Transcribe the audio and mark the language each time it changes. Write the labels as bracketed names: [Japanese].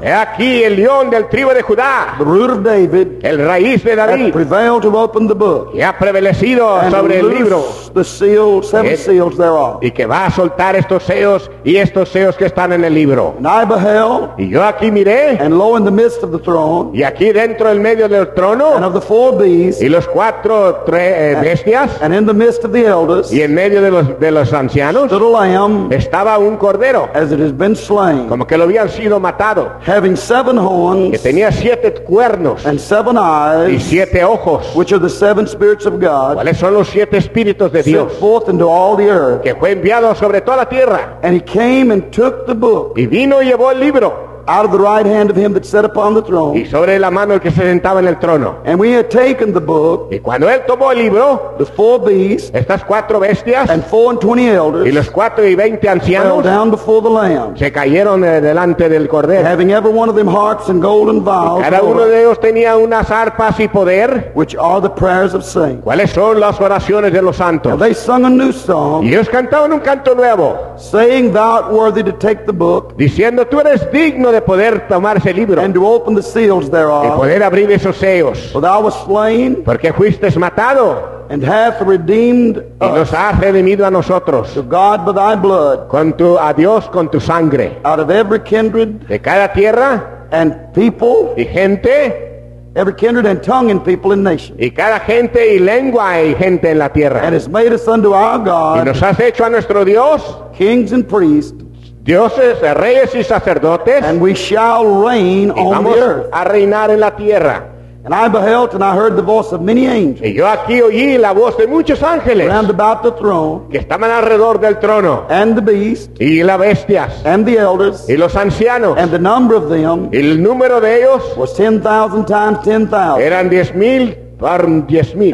[Spanish] he aquí el león del tribu de Judá, [English] the root of David, [Spanish] el raíz de David, [English] hath prevailed to open the book, [Spanish] y ha prevalecido sobre el libro, [English] the seal, seven seals thereof, [Spanish] y que va a soltar estos sellos y estos sellos que están en el libro. [English] And I beheld, [Spanish] y yo aquí miré, [English] and lo, in the midst of the throne, [Spanish] y aquí dentro del medio del trono, [English] and of the four beasts, [Spanish] y los cuatro bestias, [English] and in the midst of the elders, [Spanish] y en medio de los ancianos, [English] stood a lamb, [Spanish] estaba un cordero, [English] as it has been slain, [Spanish] como que lo habían sido matado, [English] having seven horns, [Spanish] que tenía siete cuernos, [English] and seven eyes, [Spanish] y siete ojos, [English] which are the seven spirits of God, [Spanish] cuáles son los siete espíritus de Dios, [English] sent forth into all the earth, [Spanish] que fue enviado sobre toda la tierra, [English] and he came and took the book, [Spanish] y vino y llevó el libro, [English] out of the right hand of him that sat upon the throne, [Spanish] y sobre la mano el que se sentaba en el trono, [English] and we had taken the book, [Spanish] y cuando él tomó el libro, [English] the four beasts, [Spanish] estas cuatro bestias, [English] and 24 elders, [Spanish] y los 24 ancianos, [English] fell down before the lamb, [Spanish] se cayeron delante del cordero, [English] having every one of them harps and golden vials, [Spanish] cada uno de ellos tenía unas arpas y poder, [English] which are the prayers of saints, [Spanish] cuáles son las oraciones de los santos, [English] and they sung a new song, [Spanish] y ellos cantaban un canto nuevo, [English] saying, thou art worthy to take the book, [Spanish] diciendo, tú eres digno de poder tomar ese libro, [English] and to open the seals thereof, [Spanish] y poder abrir esos sellos, [English] for thou wast slain, [Spanish] porque fuiste matado, [English] and hath redeemed [Spanish] y nos has redimido a nosotros, [English] to God by thy blood, [Spanish] a Dios con tu sangre, [English] out of every kindred, [Spanish] de cada tierra, [English] and people, [Spanish] y gente, [English] every kindred and tongue and people and nation, [Spanish] y cada gente y lengua y gente en la tierra, [English] and has made us unto our God, [Spanish] y nos has hecho a nuestro Dios, [English] kings and priests, [Spanish] dioses, reyes y sacerdotes, [English] and we shall reign on the earth, [Spanish] a reinar en la tierra. [English] And I beheld and I heard the voice of many angels, [Spanish] y yo aquí oí la voz de muchos ángeles, [English] round about the throne, [Spanish] que estaban alrededor del trono, [English] and the beast, [Spanish] y las bestias, [English] and the elders, [Spanish] y los ancianos, [English] and the number of them, [Spanish] y el número de ellos, [English] was 10,000 times 10,000, [Spanish] eran 10,000 por 10,000,